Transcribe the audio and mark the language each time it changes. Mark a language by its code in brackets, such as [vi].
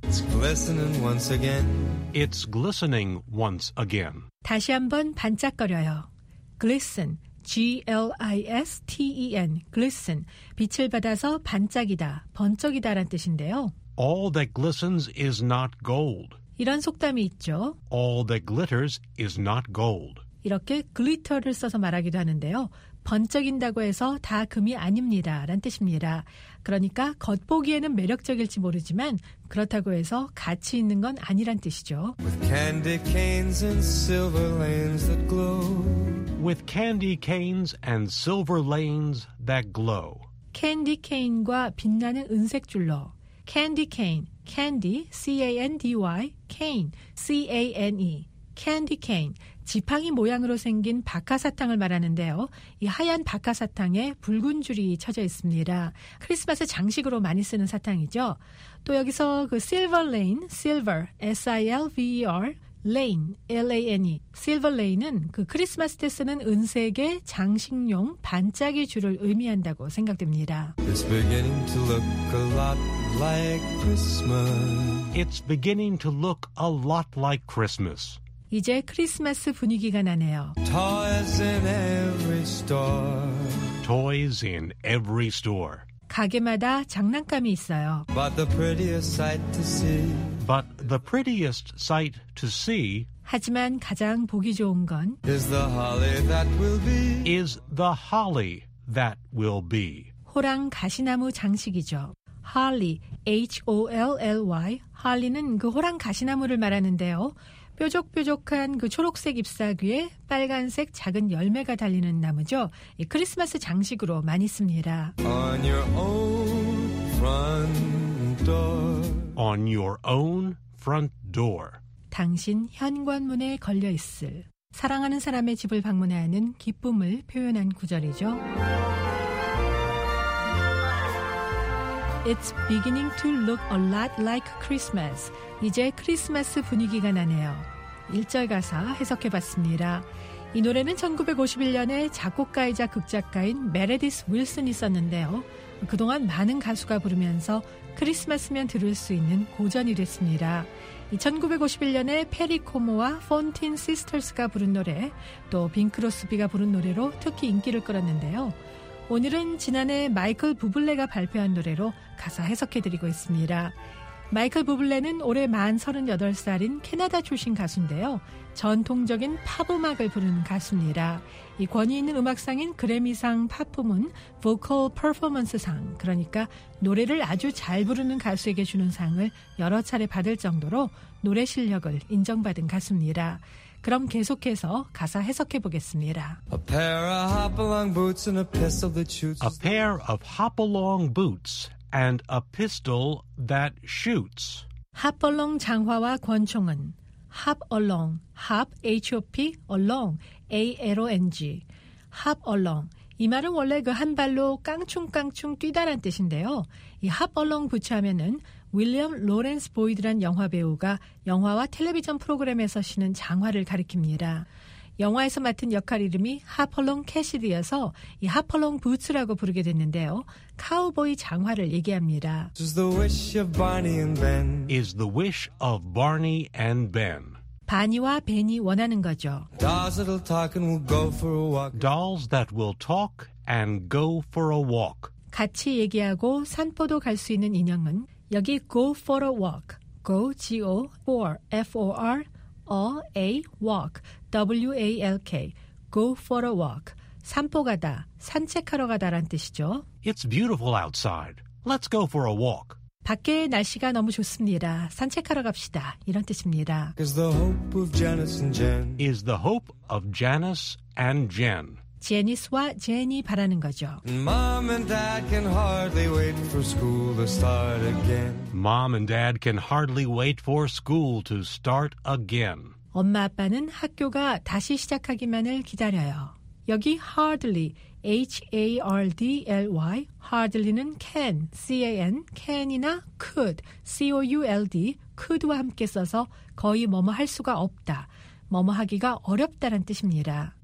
[en] It's glistening once again. It's glistening once again. [ko] 다시 한번 반짝거려요. Glisten. G-L-I-S-T-E-N, glisten, 빛을 받아서 반짝이다, 번쩍이다란 뜻인데요. [en] All that glistens is not gold. [ko] 이런 속담이 있죠. [en] All that glitters is not gold. [ko] 이렇게 glitter를 써서 말하기도 하는데요. 번쩍인다고 해서 다 금이 아닙니다란 뜻입니다. 그러니까 겉보기에는 매력적일지 모르지만 그렇다고 해서 가치 있는 건 아니란 뜻이죠. [en] With candy canes and silver lanes that glow. With candy canes and silver lanes that glow. [ko] 캔디 케인과 빛나는 은색 줄로. [en] 캔디 케인, candy, C-A-N-D-Y, cane, C-A-N-E. [ko] 캔디 케인, 지팡이 모양으로 생긴 박하사탕을 말하는데요. 이 하얀 박하사탕에 붉은 줄이 쳐져 있습니다. 크리스마스 장식으로 많이 쓰는 사탕이죠. 또 여기서 그 silver lane, silver, S-I-L-V-E-R, Lane, L-A-N-E, Silver Lane은 그 크리스마스 때 쓰는 은색의 장식용 반짝이 줄을 의미한다고 생각됩니다. [en] It's beginning to look a lot like Christmas. It's beginning to look a lot like Christmas. [ko] 이제 크리스마스 분위기가 나네요. [en] Toys in every store. Toys in every store. [ko] 가게마다 장난감이 있어요. [en] But the prettiest sight to see. But the prettiest sight to see [ko] 하지만 가장 보기 좋은 건 [en] is the holly that will be is the holly that will be [ko] 호랑 가시나무 장식이죠. Holly, H-O-L-L-Y, holly는 그 호랑 가시나무를 말하는데요. 뾰족뾰족한 그 초록색 잎사귀에 빨간색 작은 열매가 달리는 나무죠. 이 크리스마스 장식으로 많이 씁니다. [en] On your own front door On your own front door. [ko] 당신 현관문에 걸려 있을 사랑하는 사람의 집을 방문하는 기쁨을 표현한 구절이죠. [en] It's beginning to look a lot like Christmas. [ko] 이제 크리스마스 분위기가 나네요. 1절 가사 해석해 봤습니다. 이 노래는 1951년에 작곡가이자 극작가인 메레디스 윌슨이 썼는데요. 그동안 많은 가수가 부르면서 크리스마스면 들을 수 있는 고전이 됐습니다. 1951년에 페리 코모와 폰틴 시스터스가 부른 노래, 또 빈 크로스비가 부른 노래로 특히 인기를 끌었는데요. 오늘은 지난해 마이클 부블레가 발표한 노래로 가사 해석해드리고 있습니다. 마이클 부블레는 올해 만 38살인 캐나다 출신 가수인데요. 전통적인 팝음악을 부르는 가수입니다. 이 권위 있는 음악상인 그래미상 팝 부문 보컬 퍼포먼스상, 그러니까 노래를 아주 잘 부르는 가수에게 주는 상을 여러 차례 받을 정도로 노래 실력을 인정받은 가수입니다. 그럼 계속해서 가사 해석해 보겠습니다. [en] A pair of hopalong boots and a pistol that shoots. A pair of hopalong boots and a pistol that shoots. Hopalong [ko] 장화와 권총은 [en] hop along, hop, H-O-P, along, A-L-O-N-G. Hop along. [ko] 이 말은 원래 그 한 발로 깡충깡충 뛰다란 뜻인데요. 이 hop along 부치하면은 윌리엄 로렌스 보이드란 영화 배우가 영화와 텔레비전 프로그램에서 신은 장화를 가리킵니다. 영화에서 맡은 역할 이름이 하퍼롱 캐시디여서 이 하퍼롱 부츠라고 부르게 됐는데요. 카우보이 장화를 얘기합니다. [en] Is the wish of Barney and Ben. Is the wish of Barney and Ben. [ko] 바니와 벤이 원하는 거죠. [en] Dolls that will talk and will go for a walk. Dolls that will talk and go for a walk. [ko] 같이 얘기하고 산포도 갈 수 있는 인형은 여기 [en] go for a walk. Go, G-O, for, F-O-R, a, a, walk, W-A-L-K, go for a walk. [ko] 산포 가다, 산책하러 가다란 뜻이죠. [en] It's beautiful outside. Let's go for a walk. [ko] 밖에 날씨가 너무 좋습니다. 산책하러 갑시다. 이런 뜻입니다. [en] Is the hope of Janice and Jen. Is the hope of Janice and Jen. [ko] 제니스와 제니 바라는 거죠. [en] Mom and dad can hardly wait for school to start again. Mom and dad can hardly wait for school to start again. [ko] 엄마 아빠는 학교가 다시 시작하기만을 기다려요. 여기 hardly, H-A-R-D-L-Y, hardly는 can, C-A-N, can이나 could, C-O-U-L-D, could와 함께 써서 거의 뭐뭐 할 수가 없다, 뭐뭐 하기가 어렵다란 뜻입니다.